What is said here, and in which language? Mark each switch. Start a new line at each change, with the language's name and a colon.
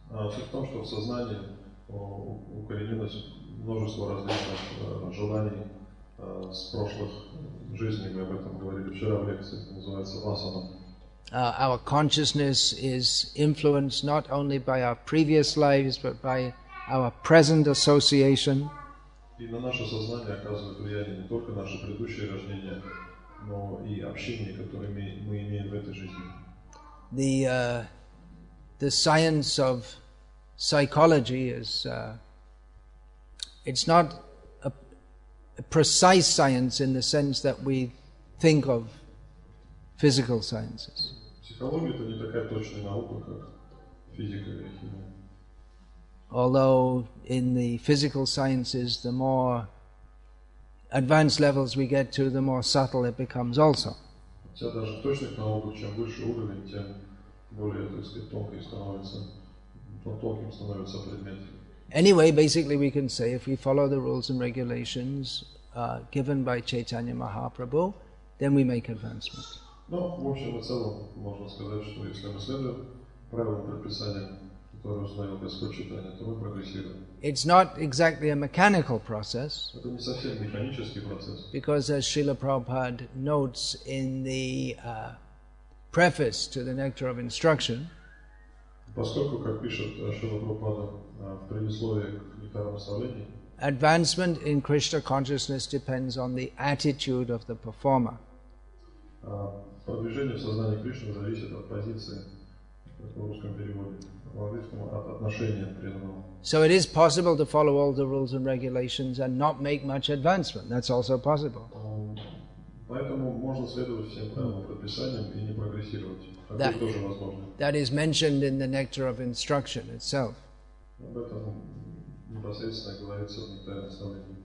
Russian: Суть в том, что в сознании укоренилось множество различных желаний с прошлых жизней. Мы об этом говорили вчера в лекции, это называется vasana.
English: Our consciousness is influenced not only by our previous lives, but by our present association.
Russian: И на наше сознание оказывает влияние не только наше предыдущее рождение, но и общение, которое мы имеем в этой жизни.
English: The science of psychology is it's not a precise science in the sense that we think of physical sciences.
Russian: Психология — это не такая точная наука, как физика или химия.
English: Although in the physical sciences, the more advanced levels we get to, the more subtle it becomes also.
Russian: Хотя даже в точных науках, чем выше уровень, тем более, так сказать, тонкий становится, тонким становится предмет.
English: Anyway, basically we can say, if we follow the rules and regulations given by Chaitanya Mahaprabhu, then we make advancement.
Russian: Ну, в общем и целом, можно сказать, что если мы следуем правилам предписания, которые установил Господь Читания, то мы прогрессируем.
English: It's not exactly a mechanical process.
Russian: Это не совсем механический процесс.
English: Because as Srila Prabhupada notes in the preface to the Nectar of Instruction,
Russian: поскольку, как пишет Шрила Прабхупада в предисловии к Нектару Наставления,
English: advancement in Krishna consciousness depends on the attitude of the performer.
Russian: Продвижение в сознании Кришны зависит от позиции, как в русском переводе, в английском — от отношения преданного.
English: So it is possible to follow all the rules and regulations and not make much advancement. That's also possible.
Russian: Поэтому можно следовать всем правилам и предписаниям и не прогрессировать. Это тоже возможно.
English: That is mentioned in the Nectar of Instruction itself.
Russian: Об этом непосредственно говорится в Нектаре Наставления.